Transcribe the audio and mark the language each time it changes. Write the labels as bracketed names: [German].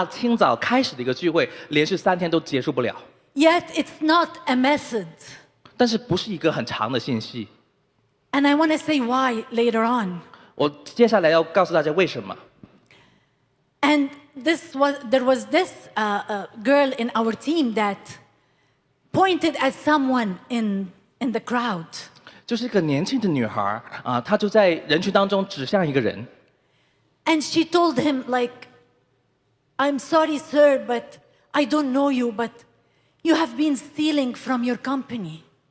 [Chinese] 就是那时候的聚会就是一个大清早开始的一个聚会，连续3天都结束不了。 [English] Yet it's not a method. [Chinese] 但是不是一个很长的信息。 [English] And I want to say why later on. [Chinese] 我接下来要告诉大家为什么。 [English] And there was this girl in our team that pointed at someone in the crowd. [Chinese] 就是一个年轻的女孩，她就在人群当中指向一个人。 [English] And she told him, I'm sorry, sir, but I don't know you, but you have been stealing from your company.